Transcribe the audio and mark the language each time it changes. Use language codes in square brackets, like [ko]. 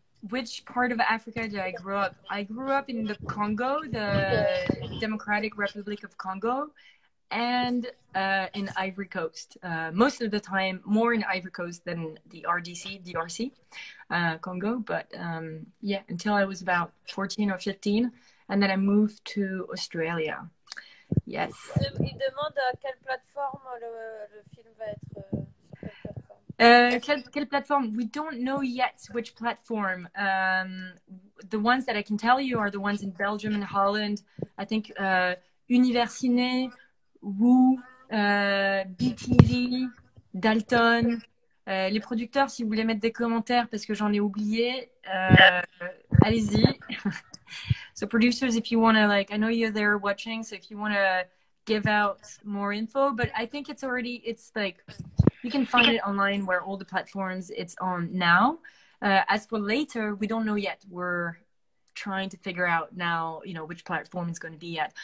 [en] Which part of Africa did I grow up? I grew up in the Congo, the Democratic Republic of Congo. And in Ivory Coast, most of the time, more in Ivory Coast than the RDC, DRC, Congo. But until I was about 14 or 15, and then I moved to Australia. Yes. [fr] Il demande à quelle plateforme le film va être. Quelle plateforme? [en] We don't know yet which platform. The ones that I can tell you are the ones in Belgium and Holland. I think Universiné. [fr] Woo, BTV, Dalton, les producteurs, si vous voulez mettre des commentaires parce que j'en ai oublié, allez-y. [en] So producers, if you want to, like, I know you're there watching, so if you want to give out more info, but I think it's already, it's like, you can find it online where all the platforms it's on now. As for later, we don't know yet. We're trying to figure out now, you know, which platform it's going to be at.